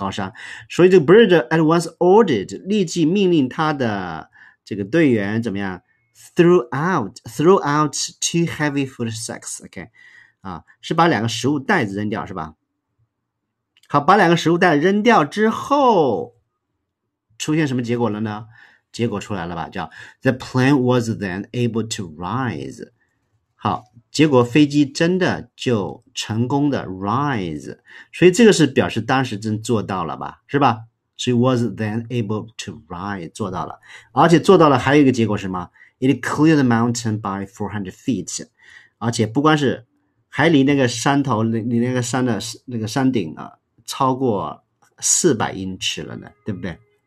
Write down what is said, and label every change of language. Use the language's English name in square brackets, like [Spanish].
[Chinese] 高山，所以这个 [English] bird at once ordered [Chinese] 立即命令他的这个队员怎么样 ？ [English] Throw out two heavy food sacks， [Chinese] OK， 啊，是把两个食物袋子扔掉是吧？好，把两个食物袋子扔掉之后，出现什么结果了呢？结果出来了吧？叫 [English] The plane was then able to rise。 [Chinese] 好，结果飞机真的就成功的 rise， 所以这个是表示当时真做到了吧，是吧？所以 [English] was then able to rise [Chinese] 做到了，而且做到了还有一个结果是什么？ [English] It cleared the mountain by 400 feet， [Chinese] 而且不光是还离那个山头，离那个山的那个山顶啊，超过400英尺了呢，对不对？